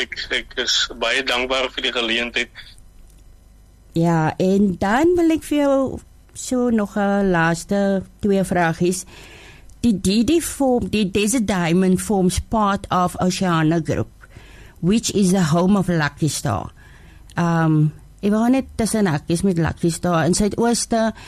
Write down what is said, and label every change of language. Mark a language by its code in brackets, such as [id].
[af] Ek is baie dankbaar vir die geleentheid. Ja, en dan wil ek vir jou so nog een laaste twee vraagies. [en] Die Didi Form, die Desert Diamond forms part of Oceana Group, which is the home of Lucky Star. [af] Ek wil net tussen hakjes met Lucky Star in Zuid-Ooste.